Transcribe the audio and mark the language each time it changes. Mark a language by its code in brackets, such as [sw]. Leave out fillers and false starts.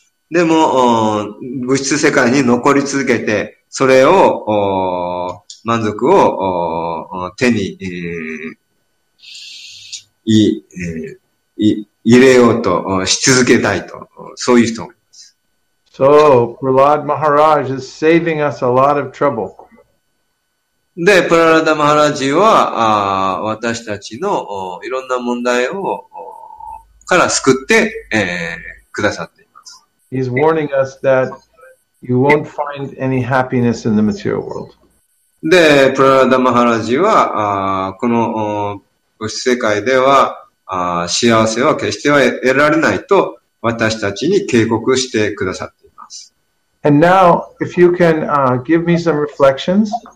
[ja] でも、物質世界に残り続けて、それを、満足を手に、入れようとし続けたいと、そういう人。 [en] So, Prahlad Maharaj is saving us a lot of trouble. [ja] で、プララダマハラジは、私たちのいろんな問題をから救って、くださっています。 [en] He's warning us that you won't find any happiness in the material world. [ja] で、プララダマハラジは、この物質世界では幸せは決しては得られないと私たちに警告してくださっています。 [en] And now, if you can、give me some reflections.